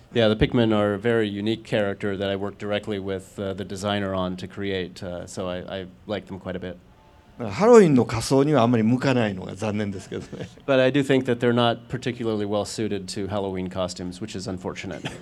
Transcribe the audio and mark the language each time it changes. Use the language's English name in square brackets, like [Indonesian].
[English] Yeah, the Pikmin are a very unique character that I worked directly with the designer on to create, so I like them quite a bit. [Japanese] ハロウィンの仮装にはあまり向かないのが残念ですけどね。 [English] But I do think that they're not particularly well suited to Halloween costumes, which is unfortunate.